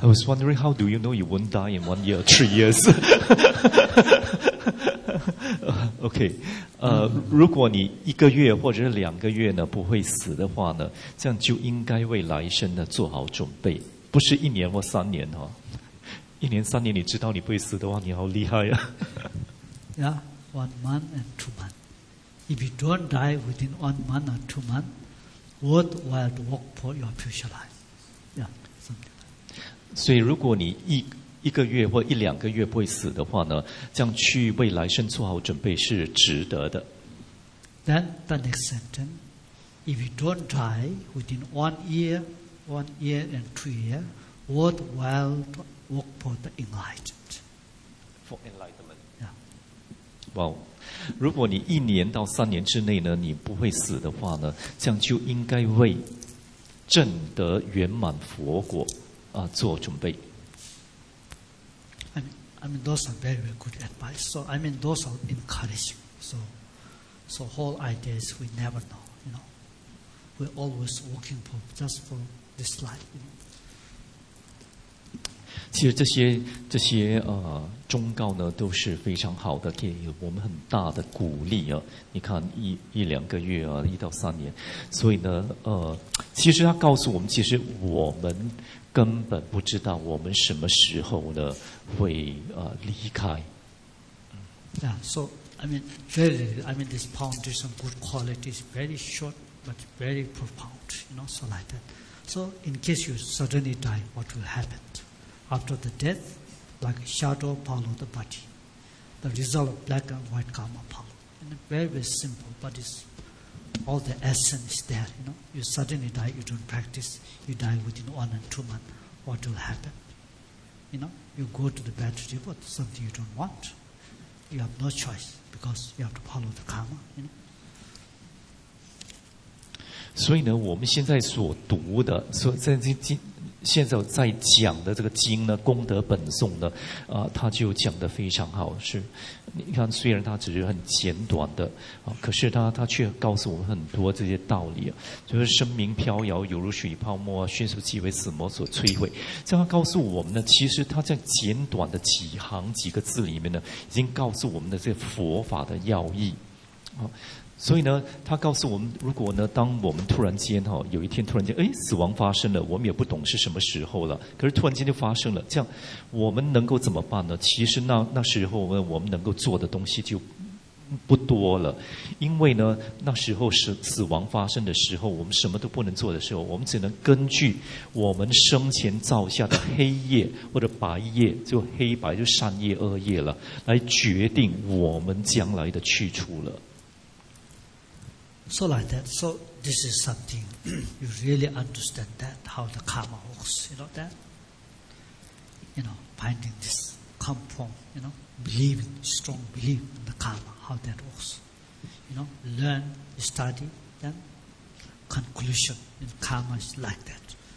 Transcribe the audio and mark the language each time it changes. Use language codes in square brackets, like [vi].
[en] I was wondering how do you know you won't die in 1 year or 3 years? OK. [zh] 如果你一个月或者是两个月呢不会死的话呢，这样就应该为来生呢做好准备，不是一年或三年哦。一年三年，你知道你不会死的话，你好厉害啊！ [en] Yeah, 1 month and 2 months. If you don't die within 1 month and 2 months, worthwhile to work for your future life. Yeah, something like that. [zh] 所以，如果你一个月或一两个月不会死的话呢，这样去为来生做好准备是值得的。 [en] Then the next sentence, if you don't die within 1 year, 1 year and 2 years, worthwhile to work for the enlightened. For enlightenment. Yeah. Wow. [zh] 如果你一年到三年之内呢，你不会死的话呢，这样就应该为证得圆满佛果啊做准备。 [en] I mean, those are very, very good advice. So, I mean, those are encouraging. So whole ideas we never know, you know. We're always working for just for this life, you know. [zh] 其实这些忠告呢都是非常好的，给我们很大的鼓励啊。你看一两个月啊，一到三年，所以呢，其实他告诉我们，其实我们根本不知道我们什么时候呢会离开。 [en] Yeah, so I mean, very, I mean, this point is some good quality, is very short but very profound, you know, so like that. So in case you suddenly die, what will happen after the death? Like shadow follow the body, the result of black and white karma follow. And very, very simple, but it's all the essence is there, you know. You suddenly die, you don't practice, you die within 1 and 2 months, what will happen? You know, you go to the bad devote, something you don't want. You have no choice because you have to follow the karma, you know. [zh] 所以呢，我们现在所读的，所在这经，现在在讲的这个经呢，功德本颂呢，他就讲得非常好。是，你看，虽然他只是很简短的，可是他却告诉我们很多这些道理啊，就是生命飘摇，犹如水泡沫，迅速即为死魔所摧毁。这样告诉我们呢，其实他在简短的几行几个字里面呢，已经告诉我们的这佛法的要义，啊。所以呢，他告诉我们，如果呢，当我们突然间哈，有一天突然间，哎，死亡发生了，我们也不懂是什么时候了，可是突然间就发生了，这样我们能够怎么办呢？其实那时候我们能够做的东西就不多了，因为呢，那时候是死亡发生的时候，我们什么都不能做的时候，我们只能根据我们生前造下的黑夜或者白夜，就黑白就善夜恶夜了，来决定我们将来的去处了。 [en] So like that. So this is something you really understand that how the karma works. You know that. You know, finding this come from. You know, believing strong belief in the karma, how that works. You know, learn, study, then conclusion in karma is like that.